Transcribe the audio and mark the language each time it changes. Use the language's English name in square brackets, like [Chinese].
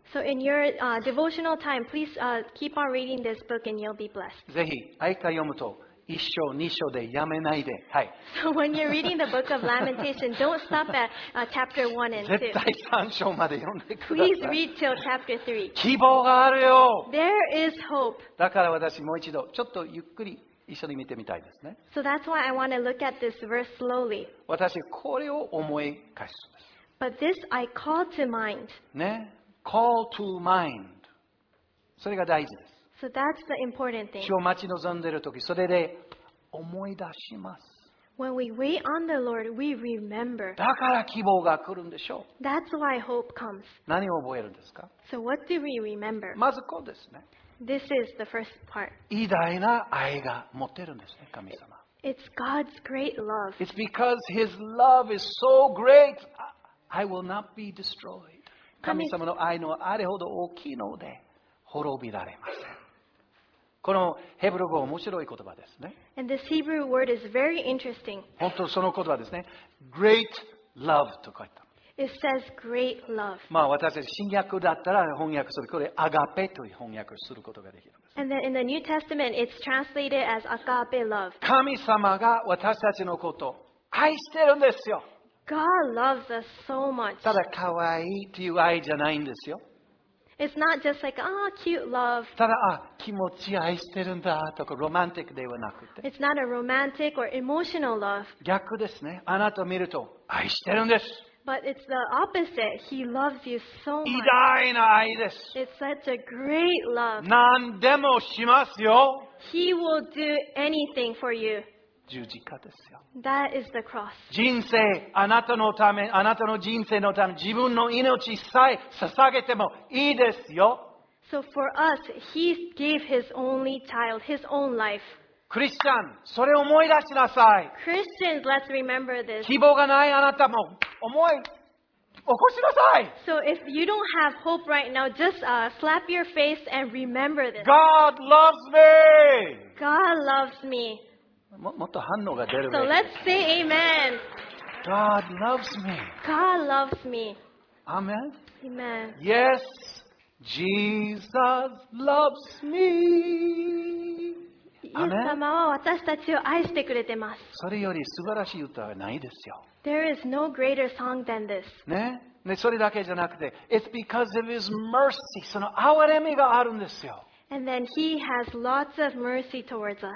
[English] So in your, devotional time, please, keep on reading this book and you'll be blessed. [Japanese] ぜひ、愛歌読むと、一章、二章でやめないで。はい。 [English] So when you're reading the book of Lamentation, don't stop at, chapter 1 and 2. [Japanese] 絶対3章まで読んでください。 [English] Please read till chapter 3. [Japanese] 希望があるよ。 [English] There is hope. [Japanese] だから私もう一度、ちょっとゆっくり。一緒に見てみたいですね。 [English] So that's why I want to look at this verse slowly. [Japanese] 私これを思い返すんです。 [English] But this I call to mind. [Japanese] ね、 [English] call to mind. [Japanese] それが大事です。 [English] So that's the important thing. [Japanese] 主を待ち望んでいるとき、それで思い出します。 [English] When we wait on the Lord, we remember. [Japanese] だから希望が来るんでしょう。 [English] That's why hope comes. [Japanese] 何を覚えるんですか？ [English] So what do we remember? [Japanese] まずこうですね。 [English] This is the first part. [Japanese] 偉大な愛が持ってるんですね、神様。 [English] It's God's great love. It's because His love is so great, I will not be destroyed. [Japanese] 神様の愛のあれほど大きいので滅びられません。このヘブル語面白い言葉ですね。 [English] And this Hebrew word is very interesting. [Japanese] 本当その言葉ですね。Great love と書いた。 [English] It says great love. [Japanese] まあ私たち新約だったら翻訳するこれアガペという翻訳することができるんです。 [English] And then in the New Testament, it's translated as agape love. [Japanese] 神様が私たちのこと愛してるんですよ。 [English] God loves us so much. [Japanese] ただ可愛いという愛じゃないんですよ。 [English] It's not just like, ah,、oh, cute love. [Japanese] ただ、あ、気持ち愛してるんだとか、ロマンティックではなくて。 [English] It's not a romantic or emotional love. [Japanese] 逆ですね。あなたを見ると愛してるんです。 [English] But it's the opposite. He loves you so much. [Japanese] 偉大な愛です。 [English] It's such a great love. [Japanese] 何でもしますよ。 [English] He will do anything for you. [Japanese] 十字架ですよ。 [English] That is the cross. [Japanese] 人生、あなたのため、あなたの人生のため、自分の命さえ捧げてもいいですよ。 [English] So for us, he gave his only child, his own life. [Japanese] クリスチャン、それを思い出しなさい。 [English] Christians, let's remember this. [Japanese] 希望がないあなたも思い起こしなさい。 [English] So if you don't have hope right now, just, slap your face and remember this. God loves me. God loves me. [Japanese] もっと反応が出る。 [English] So let's say amen. God loves me. God loves me. Amen. Amen. Yes, Jesus loves me. [Japanese] イエス様は私たちを愛してくれてます。それより素晴らしい歌はないですよ。 [English] There is no greater song than this. [Japanese] ね。ね、それだけじゃなくて、 [English] It's because of His mercy. [Japanese] その憐れみがあるんですよ。 [English] And then He has lots of mercy towards us.